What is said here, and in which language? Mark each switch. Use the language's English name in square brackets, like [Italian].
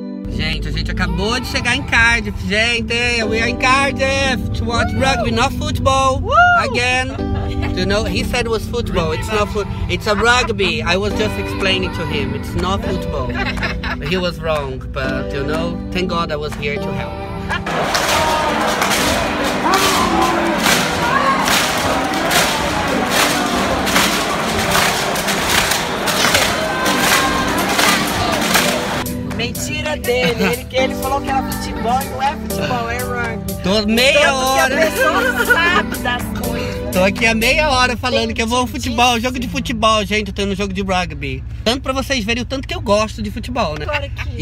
[Portuguese] gente, a gente acabou de chegar em Cardiff, gente. [English] We are in Cardiff to watch rugby, not football. Again. You know, he said it was football. It's not football. It's a rugby. I was just explaining to him. It's not football. He was wrong, but you know, thank God I was here to help. [Portuguese] Mentira dele, ele falou que era futebol e não é futebol, é rugby. Tô meia hora. A pessoa sabe das coisas. Tô aqui há meia hora falando que eu vou ao futebol, jogo de futebol, gente, tô no jogo de rugby. Tanto pra vocês verem o tanto que eu gosto de futebol, né? Claro que